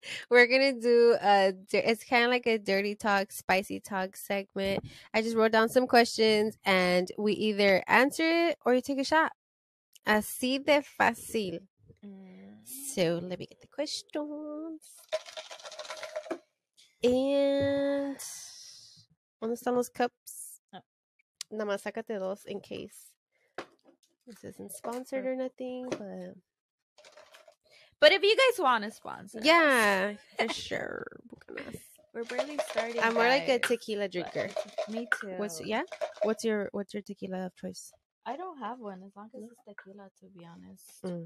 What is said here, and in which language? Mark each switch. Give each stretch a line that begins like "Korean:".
English: We're going to do it's kind of like a dirty talk, spicy talk segment. I just wrote down some questions and we either answer it or you take a shot. Así de fácil. So let me get the questions.
Spanish: And ¿dónde están los cups? Nada más sácate dos in case.
English: This isn't sponsored or nothing, but. But if you guys want to sponsor. Yeah, for sure. We're barely starting. I'm more like a tequila drinker. Me too. What's your tequila of choice? I don't have one, as long as it's tequila, to be honest.